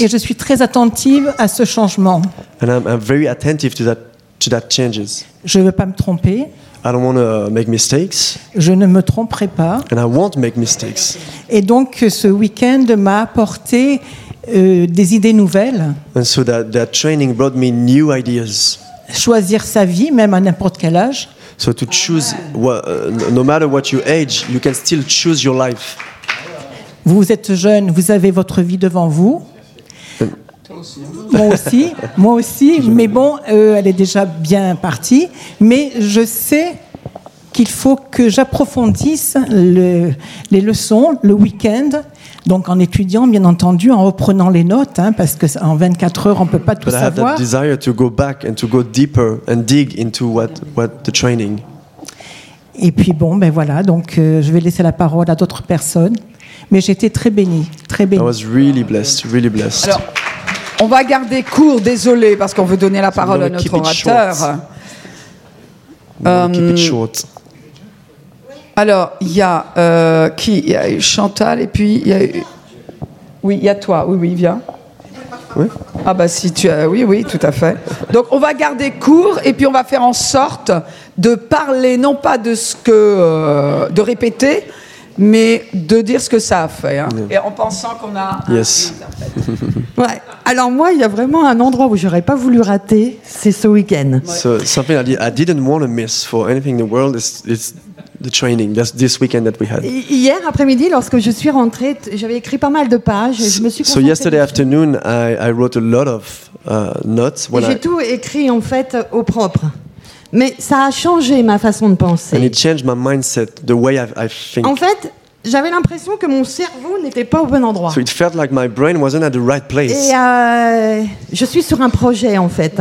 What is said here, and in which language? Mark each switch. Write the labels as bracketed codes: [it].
[fr] Et je suis très attentive à ce changement. [en] And I'm very attentive to that changes. [fr] Je ne veux pas me tromper. [en] I don't want to make mistakes. [fr] Je ne me tromperai pas. [en] And I won't make mistakes. [fr] Et donc, ce week-end m'a apporté des idées nouvelles. [en] And so that training brought me new ideas. [fr] Choisir sa vie, même à n'importe quel âge. [en] So to choose, no matter what your age, you can still choose your life. [fr] Vous êtes jeune, vous avez votre vie devant vous. Moi aussi. Mais bon, elle est déjà bien partie. Mais je sais qu'il faut que j'approfondisse les leçons le week-end. Donc en étudiant, bien entendu, en reprenant les notes, hein, parce que en 24 heures, on peut pas tout savoir. [en] But I have that desire to go back and to go deeper and dig into what the training. [fr] Et puis bon, ben voilà. Donc je vais laisser la parole à d'autres personnes. Mais j'étais très bénie, très bénie. [en] I was really blessed, really blessed. [fr] Alors, on va garder court, désolé, parce qu'on veut donner la parole à notre orateur. [en] Keep it short. [fr] Alors, il y a qui ? Il y a Chantal et puis il y a... Oui, il y a toi. Oui, viens. Oui ? Ah bah si, tu as... Oui, tout à fait. Donc, on va garder court et puis on va faire en sorte de parler, non pas de ce que... de répéter, mais de dire ce que ça a fait. Hein. Yeah. Et en pensant qu'on a... [en] Yes. [fr] Ouais. Alors moi, il y a vraiment un endroit où je n'aurais pas voulu rater, c'est ce week-end. [en] So, something I didn't want to miss for anything in the world is... The training, that's this weekend that we had. [fr] Hier après-midi, lorsque je suis rentrée, j'avais écrit pas mal de pages. Je me suis [en] so yesterday afternoon, I wrote a lot of notes. [fr] J'ai tout écrit en fait au propre, mais ça a changé ma façon de penser. [en] And it changed my mindset, the way I think. [fr] En fait, j'avais l'impression que mon cerveau n'était pas au bon endroit. [en] So it felt like my brain wasn't at the right place. [fr] Et je suis sur un projet en fait.